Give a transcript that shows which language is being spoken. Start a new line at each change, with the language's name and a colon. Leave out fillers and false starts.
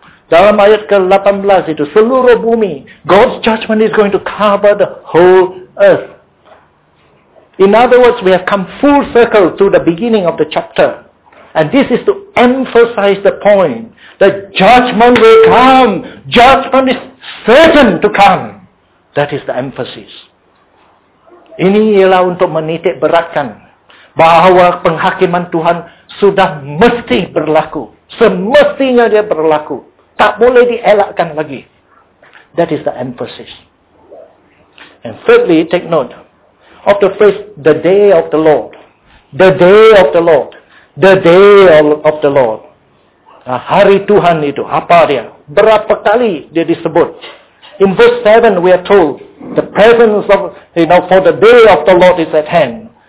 Malay: Dalam ayat ke-18 itu, seluruh bumi.
English: God's judgment is going to cover the whole earth. In other words, we have come full circle to the beginning of the chapter. And this is to emphasize the point that judgment will come. Judgment is certain to come. That is the emphasis.
Malay: Ini ialah untuk menitik beratkan bahawa penghakiman Tuhan sudah mesti berlaku. Semestinya dia berlaku. Tak boleh dielakkan lagi.
English: That is the emphasis. And thirdly, take note of the phrase, the day of the Lord. The day of the Lord. The day of the Lord.
Malay: Nah, hari Tuhan itu, apa dia? Berapa kali dia disebut?
English: In verse 7, we are told, the presence of, you know, for the day of the Lord is at hand.